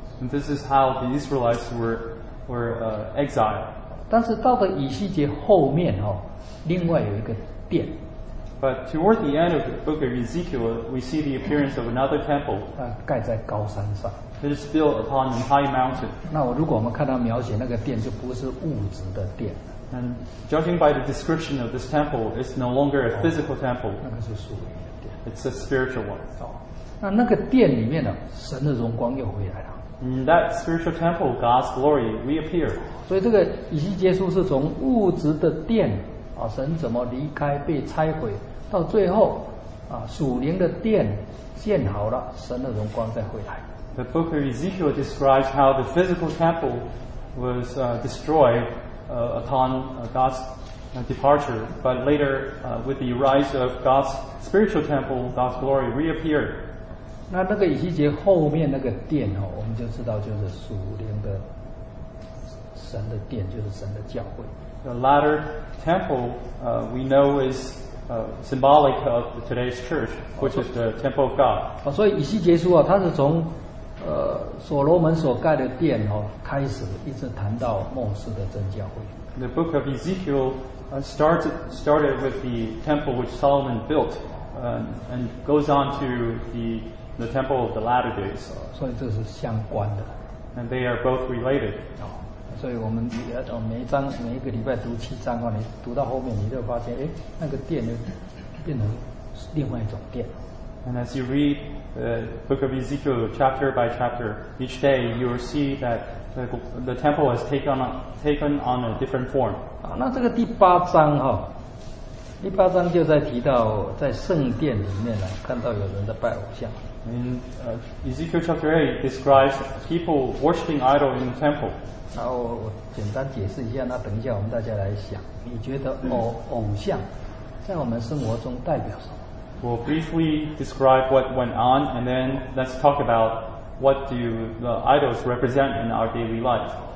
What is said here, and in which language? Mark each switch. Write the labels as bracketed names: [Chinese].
[English] And this is how the Israelites were exiled. [Chinese] 但是到了以西结后面哦，另外有一个殿。 [English] But toward the end of the book of Ezekiel, we see the appearance of another temple. [Chinese] 它盖在高山上。 [English] It is built upon a high mountain. [Chinese] 那如果我们看到描写那个殿，就不是物质的殿。 [English] And judging by the description of this temple, it's no longer a physical temple. It's a spiritual one. [Chinese] 那个殿里面呢，神的荣光又回来了。 [English] In that spiritual temple, God's glory reappeared. [Chinese] 所以这个以西结书是从物质的殿啊，神怎么离开被拆毁，到最后啊，属灵的殿建好了，神的荣光再回来。 [English] The book of Ezekiel describes how the physical temple was destroyed. Upon God's departure, but later with the rise of God's spiritual temple, God's glory reappeared. [Chinese] 那个以西结后面那个殿哦，我们就知道就是属灵的神的殿，就是神的教会。 [English] The latter temple we know is symbolic of today's church, which is the temple of God. [Chinese] 所以以西结书啊，它是从所罗门所盖的殿哦，开始一直谈到末世的真教会。 [English] The book of Ezekiel started with the temple which Solomon built, and goes on to the temple of the latter days. [Chinese] 所以这是相关的。 [English] And they are both related. [Chinese] 所以我们每一个礼拜读七章哦，你读到后面，你就发现，哎，那个殿就变成另外一种殿。 [English] And as you read the book of Ezekiel chapter by chapter, each day you will see that the temple has taken on a different form. [Chinese] 那这个第八章哈，第八章就在提到在圣殿里面呢，看到有人在拜偶像。 [English] In Ezekiel chapter 8 describes people worshiping idol in the temple. [Chinese] 然后我简单解释一下，那等一下我们大家来想，你觉得偶像在我们生活中代表什么？ [English] We'll briefly describe what went on, and then let's talk about what do the idols represent in our daily life.